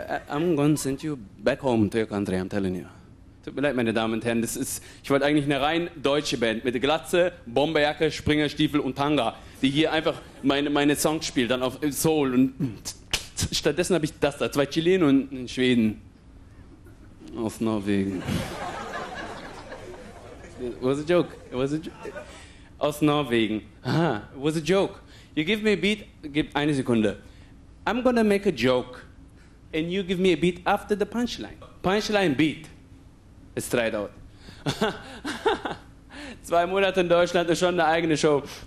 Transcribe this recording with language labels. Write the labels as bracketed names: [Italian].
[English] I'm going to send you back home to your country, I'm telling you. [German] Tut mir leid, meine Damen und Herren, das ist, ich wollte eigentlich eine rein deutsche Band mit Glatze, Bomberjacke, Springerstiefel und Tanga, die hier einfach meine Songs spielt, dann auf Soul. Und stattdessen habe ich das da, zwei Chilenen und einen Schweden. Aus Norwegen. [English] It was a joke. [German] Aus Norwegen. [English] Aha, it was a joke. You give me a beat. [German] Gib eine Sekunde. [English] I'm gonna make a joke. And you give me a beat after the punchline. Punchline beat. Let's try it out. [German] 2 Monate in Deutschland ist schon eine eigene Show.